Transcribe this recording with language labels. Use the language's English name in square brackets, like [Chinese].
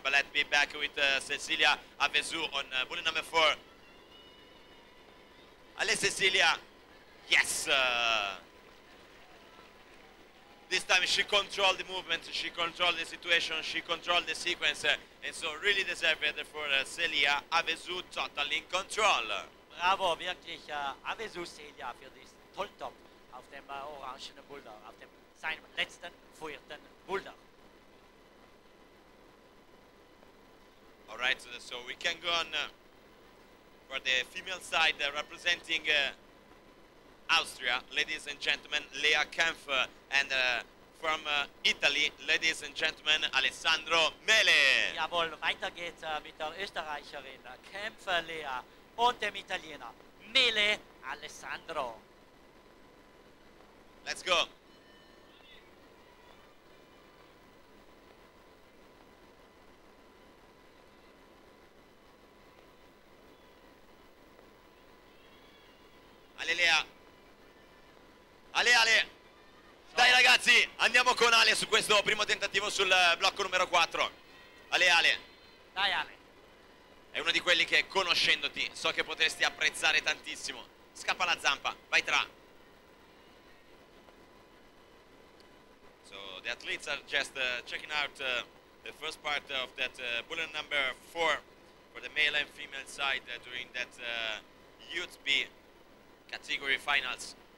[English] But let's be back with Cecilia Avezu on bullet number 4. Alle Cecilia! Yes! This time she controlled the movement, she controlled the situation, she controlled the sequence, and so really deserved it for Celia Avezu, totally in control. [German] Bravo, wirklich Avezu Celia für diesen Tolltop auf dem orangen Boulder, auf dem seinem letzten, vierten Boulder. [English] Alright, so we can go on for the female side representing Austria, ladies and gentlemen, Lea Kempf, and from Italy, ladies and gentlemen, Alessandro Mele. [German] Jawohl, weiter geht's mit der Österreicherin Kempf, Lea, und dem Italiener Mele, Alessandro. [English] Let's go. Ale Lea. [Italian] Ale Ale, dai ragazzi, andiamo con Ale su questo primo tentativo sul blocco numero 4. Ale Ale, Dai, Ale. È uno di quelli che, conoscendoti, so che potresti apprezzare tantissimo. Scappa la zampa, vai tra. [English] So, the athletes are just checking out the first part of that bullet number 4 for the male and female side during that Youth B category finals.